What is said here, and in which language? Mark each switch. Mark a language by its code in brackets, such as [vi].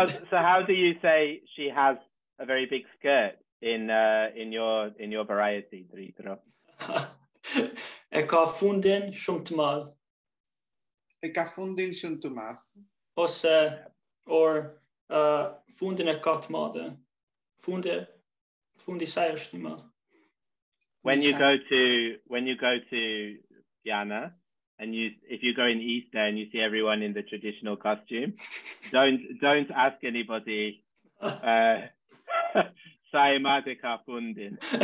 [en] So how do you say she has a very big skirt in your variety, Dritro? [sq] E ka fundin shumë të madh. E ka fundin shumë të madh. Ose, or, fundin e ka të madhe. Fundi saj është një madh. [en] When you go to Vienna, and if you go in Easter and you see everyone in the traditional costume, don't ask anybody, [sq] saj madhe ka fundin.